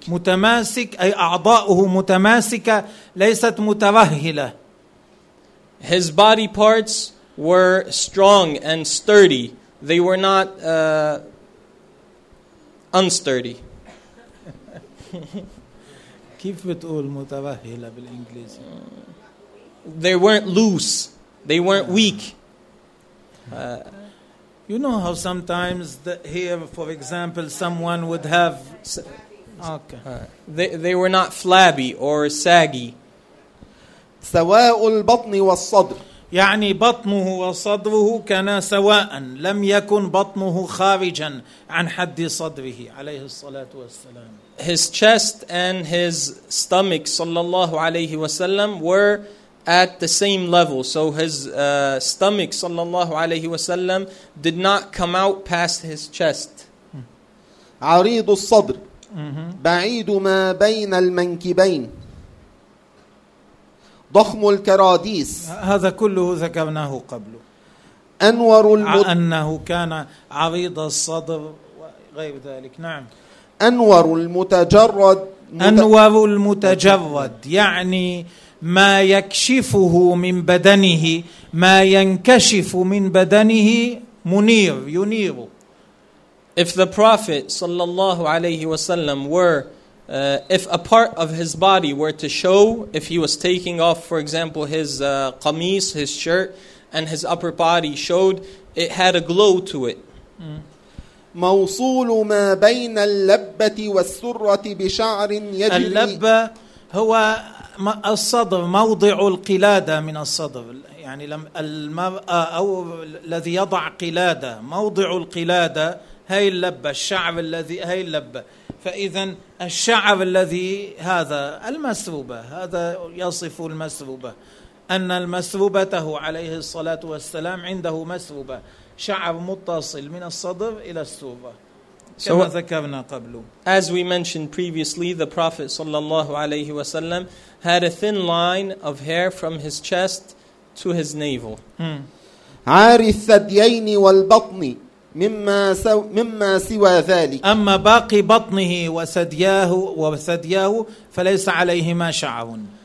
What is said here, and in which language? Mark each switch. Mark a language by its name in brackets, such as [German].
[Arabic] متماسك أي أعضاؤه متماسكة ليست مترهلة. [English] His body parts were strong and sturdy. They were not unsturdy. [Arabic] كيف بتقول متوهلة بالإنجليزي؟ [English] They weren't loose. They weren't weak. You know how sometimes here, for example, someone would have... Okay. They were not flabby or saggy. [Arabic] سواء البطن والصدر. يعني بطنه وصدره كان سواء لم يكن بطنه خارجا عن حد صدره عليه الصلاة والسلام. [English] His chest and his stomach [Arabic] صلى الله عليه وسلم [English] were at the same level. So his stomach [Arabic] صلى الله عليه وسلم [English] did not come out past his chest. [Arabic] عريض الصدر. بعيد ما بين المنكبين. ضخم الكراديس. هذا كله ذكرناه قبل. أنور أنه كان عريض الصدر وغير ذلك. نعم. أنور المتجرد. أنور المتجرد يعني ما يكشفه من بدنه, ما ينكشف من بدنه منير ينير. [English] If the Prophet [Arabic] صلى الله عليه وسلم [English] were if a part of his body were to show, if he was taking off, for example, his qamis, his shirt, and his upper body showed, it had a glow to it. [Arabic] موصول ما بين اللبة والسرة بشعر يجري. اللبة هو الصدر, موضع القلادة من الصدر. يعني المرأة أو الذي يضع قلادة, موضع القلادة هي اللبة, الشعر الذي هي اللبة. فإذا الشعر الذي هذا المسروبة, هذا يصف المسروبة, أن المسروبته عليه الصلاة والسلام عنده مسروبة, شعر متصل من الصدر إلى السروبة كما so, ذكرنا قبل. [English] As we mentioned previously, the Prophet [Arabic] صلى الله عليه وسلم [English] had a thin line of hair from his chest to his navel. [Arabic] عار الثديين والبطن مما سوى ذلك. أما باقي بطنه وثدياه فليس عليهما شعر.